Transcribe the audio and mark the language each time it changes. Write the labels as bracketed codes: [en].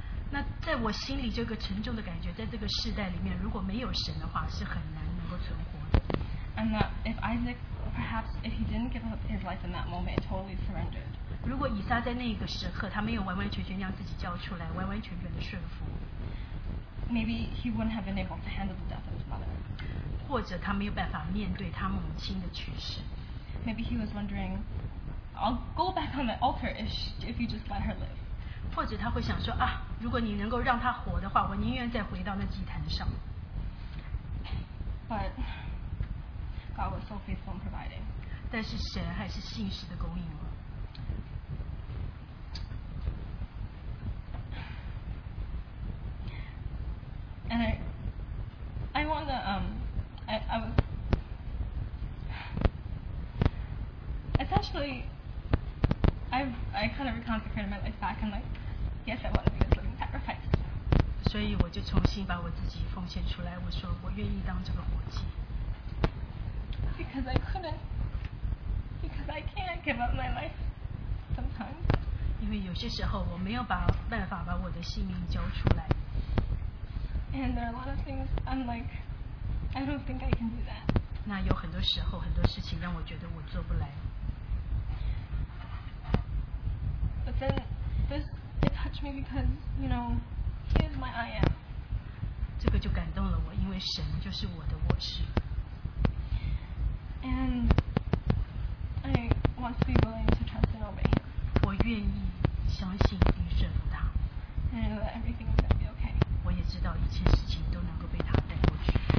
[zh] 那在我心里这个沉重的感觉，在这个世代里面，如果没有神的话，是很难能够存活的。 [en] And that if Isaac, perhaps if he didn't give up his life in that moment, totally surrendered. [zh] 如果以撒在那个时刻他没有完完全全让自己交出来，完完全全的顺服， [en] Maybe he wouldn't have been able to handle the death of his mother. [zh] 或者他没有办法面对他母亲的去世。 [en] Maybe he was wondering, I'll go back on the altar if you just let her live. [zh] 或者他会想说啊，如果你能够让她活的话，我宁愿再回到那祭坛上。 [en] But God was so faithful in providing. [zh] 但是神还是信实的供应了。 [en] And I want to, I kind of reconsecrated my life back and like, yes, I want to be a living sacrifice. [zh] 所以我就重新把我自己奉献出来，我说我愿意当这个活祭。 [en] Because I can't give up my life sometimes. [zh] 因为有些时候我没有办法把我的性命交出来。 [en] And there are a lot of things I'm like, I don't think I can do that. [zh] 那有很多时候，很多事情让我觉得我做不来。 [en] But then, this it touched me because, you know, He is my I am. [zh] 这个就感动了我，因为神就是我的我是。 [en] And I want to be willing to trust and obey. [zh] 我愿意相信并顺服他。 [en] And I know that everything is gonna be okay. [zh] 我也知道一切事情都能够被他带过去。